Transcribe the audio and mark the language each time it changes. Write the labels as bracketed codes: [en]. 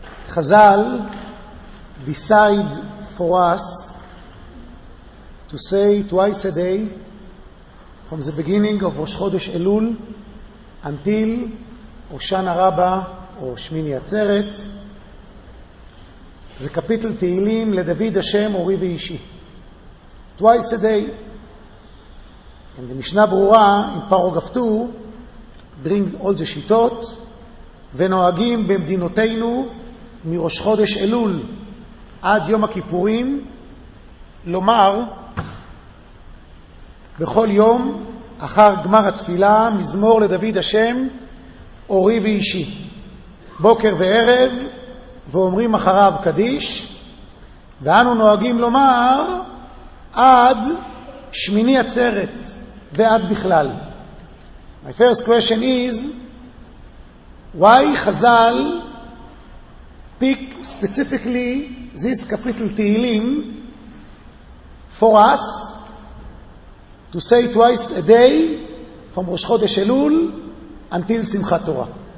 [en] Chazal decide for us to say twice a day from the beginning of Rosh Chodesh Elul until Hoshana Rabbah or Shmini Atzeret the capital Tehilim LeDavid Hashem Ori VeYishi twice a day. And the Mishnah Berurah in Paro Gaftu bring all the shitot ונוהגים במדינותינו מראש חודש אלול עד יום הכיפורים לומר [he] בכל יום אחר גמר התפילה מזמור לדוד השם אורי ואישי בוקר וערב ואומרים אחריו קדיש ואנו נוהגים לומר עד שמיני עצרת ועד בכלל. [en] My first question is, why Chazal pick specifically this capital Tehillim for us to say twice a day from Rosh Chodesh Elul until Simchat Torah?